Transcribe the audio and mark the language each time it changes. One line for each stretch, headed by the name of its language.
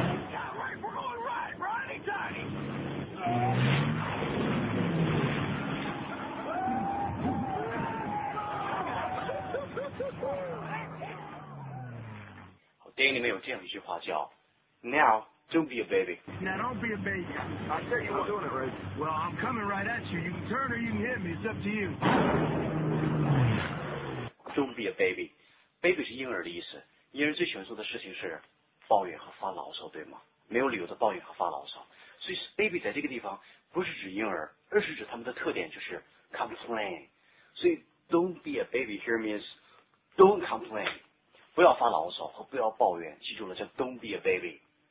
English: Yeah, right, we're going right, righty-tighty. Danny, there's this phrase. Now, don't be a baby. Now, don't be a baby. I'll tell you what. I'm doing it, right? Well, I'm coming right at you. You can turn or you can hit me. It's up to you. Don't be a baby.
Chinese: Baby 是婴儿的意思.婴儿最喜欢做的事情是抱怨和发牢骚，对吗？没有理由的抱怨和发牢骚.所以baby在这个地方不是指婴儿, 而是指他们的特点就是 complain.
English: 所以 don't be a baby here means don't complain.
Chinese: 不要发牢骚和不要抱怨, 记住了叫
English: don't be a baby.